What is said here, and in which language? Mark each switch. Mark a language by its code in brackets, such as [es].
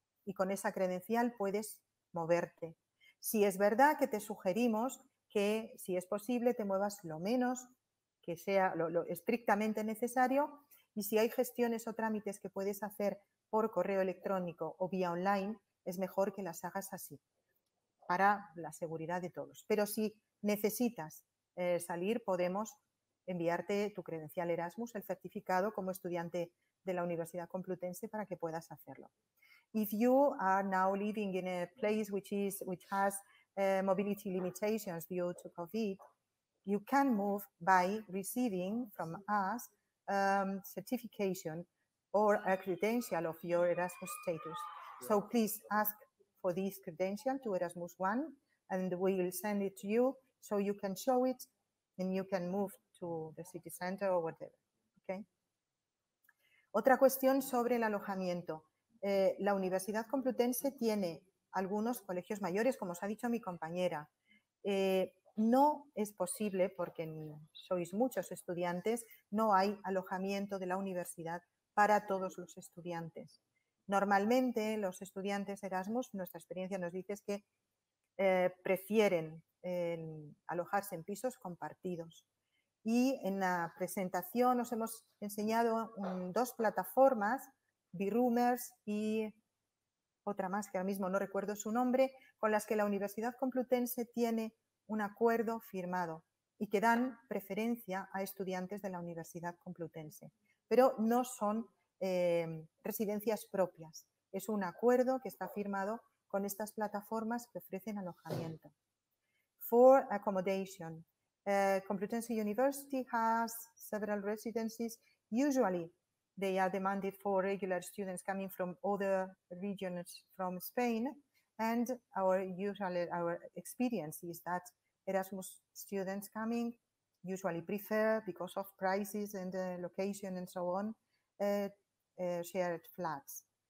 [es] Y con esa credencial puedes moverte. Si es verdad que te sugerimos que, si es posible, te muevas lo menos que sea lo estrictamente necesario, y si hay gestiones o trámites que puedes hacer por correo electrónico o vía online, es mejor que las hagas así, para la seguridad de todos. Pero si necesitas salir, podemos enviarte tu credencial Erasmus, el certificado como estudiante de la Universidad Complutense, para que puedas hacerlo. [en] If you are now living in a place which has mobility limitations due to COVID, you can move by receiving from us certification or a credential of your Erasmus status. So please ask for this credential to Erasmus One, and we will send it to you so you can show it and you can move to the city center or whatever. Okay. [es] Otra cuestión sobre el alojamiento. La Universidad Complutense tiene algunos colegios mayores, como os ha dicho mi compañera. No es posible, porque sois muchos estudiantes, no hay alojamiento de la universidad para todos los estudiantes. Normalmente los estudiantes Erasmus, nuestra experiencia nos dice, es que prefieren alojarse en pisos compartidos. Y en la presentación os hemos enseñado dos plataformas, BeRoomers y otra más que ahora mismo no recuerdo su nombre, con las que la Universidad Complutense tiene un acuerdo firmado y que dan preferencia a estudiantes de la Universidad Complutense. Pero no son residencias propias, es un acuerdo que está firmado con estas plataformas que ofrecen alojamiento. [en] For accommodation. Complutense University has several residences. Usually they are demanded for regular students coming from other regions from Spain. And our experience is that Erasmus students coming usually prefer, because of prices and the location and so on, shared flats.